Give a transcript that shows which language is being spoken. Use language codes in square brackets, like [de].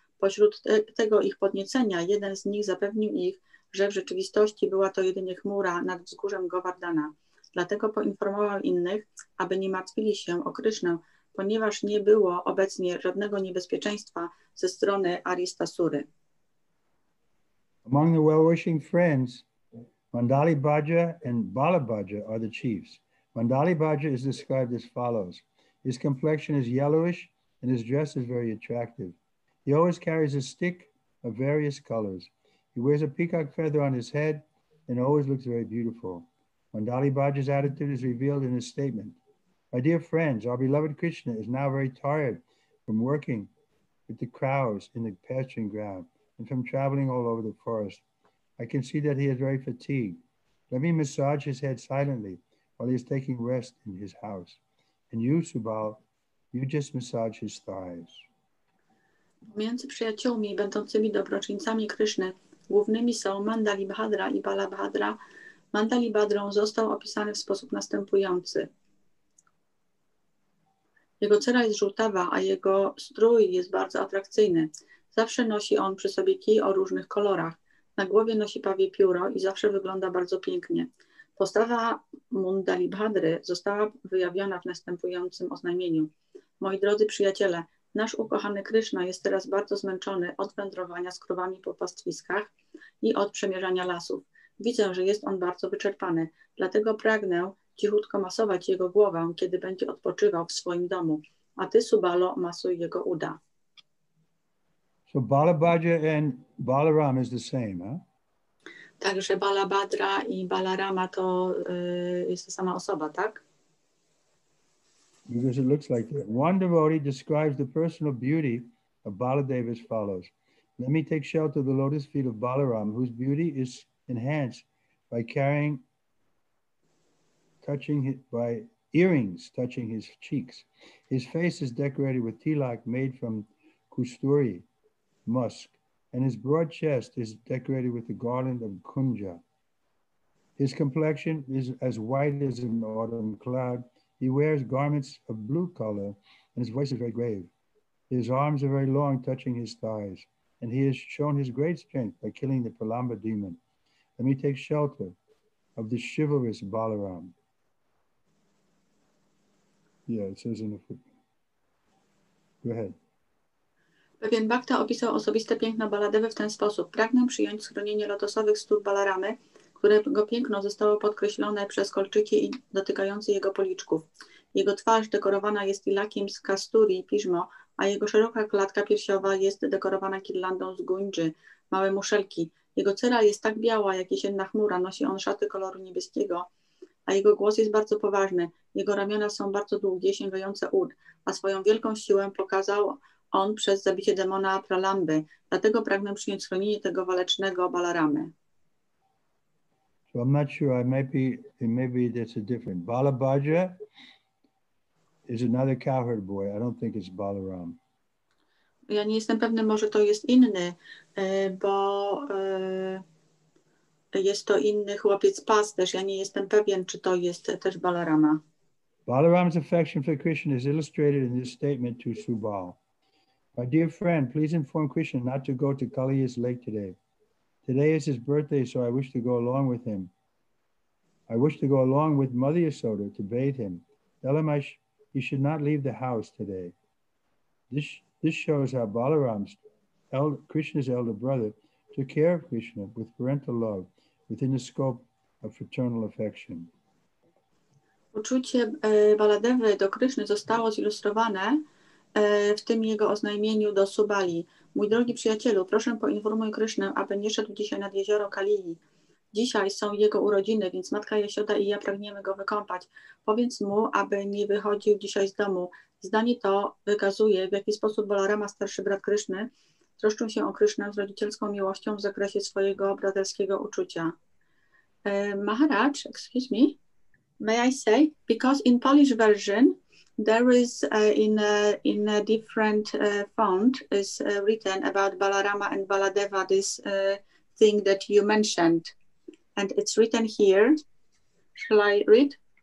[pl] Pośród tego ich podniecenia jeden z nich zapewnił ich, że w rzeczywistości była to jedynie chmura nad wzgórzem Govardhana. Dlatego poinformował innych, aby nie martwili się o Krysznę, ponieważ nie było obecnie żadnego niebezpieczeństwa ze strony Aristasury." [en] Among the well-wishing friends, Mandali Bhadra and Balabhadra are the chiefs. Mandali Bhadra is described as follows. His complexion is yellowish and his dress is very attractive. He always carries a stick of various colors. He wears a peacock feather on his head and always looks very beautiful. Mandali Bhadra's attitude is revealed in his statement. "My dear friends, our beloved Krishna is now very tired from working with the crows in the pasturing ground and from traveling all over the forest. I can see that he is very fatigued. Let me massage his head silently while he is taking rest in his house. And you, Subal, you just massage his thighs." [pl] Pomiędzy przyjaciółmi będącymi dobroczyńcami Krishna, głównymi są Mandali Bhadra i Balabhadra. Mandali Bhadra został opisany w sposób następujący. Jego cera jest żółtawa, a jego strój jest bardzo atrakcyjny. Zawsze nosi on przy sobie kij o różnych kolorach. Na głowie nosi pawie pióro i zawsze wygląda bardzo pięknie. Postawa Mundali Bhadry została wyjawiona w następującym oznajmieniu. Moi drodzy przyjaciele, nasz ukochany Kryszna jest teraz bardzo zmęczony od wędrowania z krowami po pastwiskach i od przemierzania lasów. Widzę, że jest on bardzo wyczerpany, dlatego pragnę cichutko masować jego głowę, kiedy będzie odpoczywał w swoim domu, a ty, Subalo, masuj jego uda. [en] So Balabhadra and Balaram is the same, huh? [pl] Także Balabhadra i Balarama to jest ta sama osoba, tak? [en] Because it looks like that. One devotee describes the personal beauty of Baladeva as follows. Let me take shelter of the lotus feet of Balaram, whose beauty is enhanced by carrying, touching his, by earrings touching his cheeks. His face is decorated with tilak made from kusturi musk, and his broad chest is decorated with the garland of kunja. His complexion is as white as an autumn cloud. He wears garments of blue color, and his voice is very grave. His arms are very long, touching his thighs, and he has shown his great strength by killing the Pralamba demon. Let me take shelter of the chivalrous Balaram. Yeah, it says in the footnote. Go ahead. [pl] Pewien bhakta opisał osobiste piękno Baladewy w ten sposób. Pragnę przyjąć schronienie lotosowych stóp Balaramy, którego piękno zostało podkreślone przez kolczyki i dotykające jego policzków. Jego twarz dekorowana jest tilakiem z kasturi i piżmo, a jego szeroka klatka piersiowa jest dekorowana kirlandą z gundży, małe muszelki. Jego cera jest tak biała, jak jesienna chmura, nosi on szaty koloru niebieskiego, a jego głos jest bardzo poważny. Jego ramiona są bardzo długie, sięgające ud, a swoją wielką siłę pokazał on przez zabicie demona Pralamby. Dlatego pragnę przyjąć schronienie tego walecznego Balaramy. [en] So I'm not sure, maybe that's a different. Balabhadra is another cowherd boy. I don't think it's Balaram. [pl] Ja nie jestem pewny, może to jest inny, bo jest to inny chłopiec pasterz. Ja nie jestem pewien, czy to jest też Balarama. [en] Balaram's affection for Krishna is illustrated in this statement to Subal. My dear friend, please inform Krishna not to go to Kaliya's lake today. Today is his birthday, so I wish to go along with him. I wish to go along with Mother Yasoda to bathe him. Tell him he should not leave the house today. This shows how Balaram's Krishna's elder brother took care of Krishna with parental love within the scope of fraternal affection. [pl] Uczucie Baladewy do Kryszny zostało zilustrowane w tym jego oznajmieniu do Subali. Mój drogi przyjacielu, proszę poinformuj Krysznę, aby nie szedł dzisiaj nad jezioro Kalii. Dzisiaj są jego urodziny, więc matka Jasioda i ja pragniemy go wykąpać. Powiedz mu, aby nie wychodził dzisiaj z domu. Zdanie to wykazuje, w jaki sposób Balarama, starszy brat Kryszny, troszczył się o Krysznę z rodzicielską miłością w zakresie swojego braterskiego uczucia. [en] Maharaj, excuse me, may I say, because in Polish version, there is in a different font is written about Balarama and Baladeva, this thing that you mentioned. And it's written here. Shall I read?